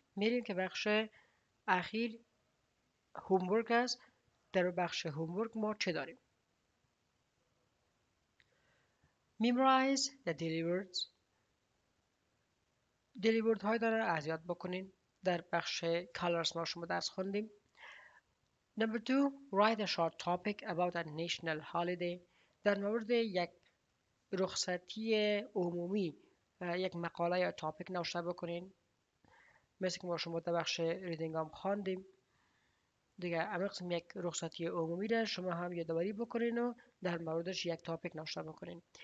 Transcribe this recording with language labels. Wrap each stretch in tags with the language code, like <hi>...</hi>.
<fa>میریم که بخش اخیر هومورک است. در بخش هومورک ما چه داریم؟</fa> <en>Memorize the daily words.</en> <fa>Daily words های داره از یاد بکنین. در بخش colors ما شما درس خوندیم.</fa> <en>Number two, write a short topic about a national holiday.</en> <fa>در مورد یک رخصتی عمومی یک مقاله یا تاپیک نوشته بکنین، مثل که ما شما در بخش ریدینگ هم خواندیم. دیگر امر قسم یک رخصتی عمومی را شما هم یادآوری بکنین و در موردش یک تاپیک نوشته بکنین.</fa>